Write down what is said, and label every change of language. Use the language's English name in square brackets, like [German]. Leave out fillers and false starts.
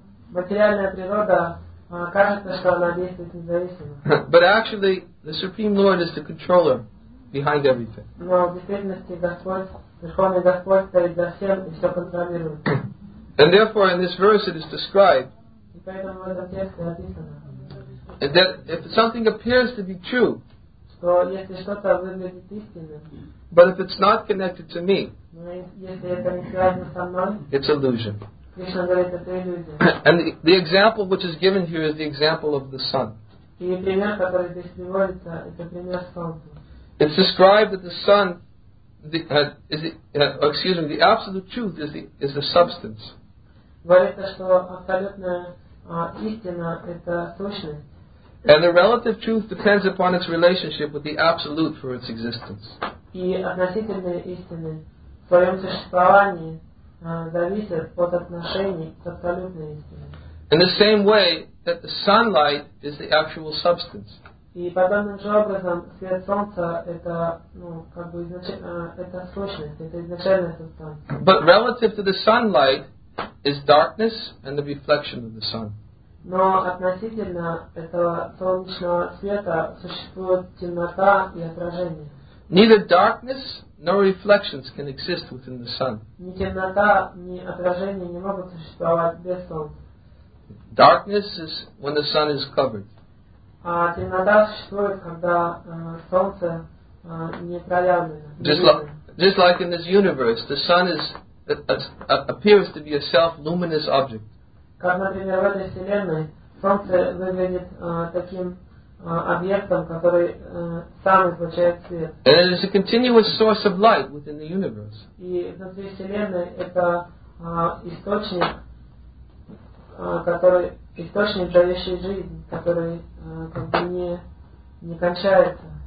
[Russian] Материальная природа кажется, что она действует независимо. [English] But actually, the Supreme Lord is the controller behind everything. [Russian] Но в действительности Господь, Верховный Господь стоит за всем и все контролирует. [English] And therefore, in this verse it is described. [Russian] И поэтому в этом тексте описано. [English] That if something appears to be true. [Russian] Что если что-то выглядит истинным. [English] But if it's not connected to me. [Russian] Но если это не связано со мной. [English] It's illusion. [Russian] Кришна говорит, это иллюзия. [English] And the example which is given here is the example of the sun. [Russian] И пример, который здесь приводится, это пример солнца. [English] It's described that the sun, the absolute truth is the substance. [Russian] Говорится, что абсолютная истина это сущность. [English] And the relative truth depends upon its relationship with the absolute for its existence. [Russian] И относительные истины в своем существовании зависят от отношений к абсолютной истине. [English] In the same way that the sunlight is the actual substance. [Russian] И подобным же образом свет солнца это, ну, как бы это сущность, это изначальная субстанция. [English] But relative to the sunlight is darkness and the reflection of the sun. [Russian] Но относительно этого солнечного света существует темнота и отражение. [English] Neither darkness nor reflections can exist within the sun. [Russian] Ни темнота, ни отражение не могут существовать без солнца. [English] Darkness is when the sun is covered. [Russian] А темнота существует, когда солнце не проявлено. [English] Just like in this universe, the sun is appears to be a self-luminous object. [Russian] Как, например, в этой вселенной солнце выглядит таким объектом, который сам излучает свет. [English] And it is a continuous source of light within the universe. [Russian] И внутри вселенной это источник, который источник дающий жизнь, который как бы не кончается.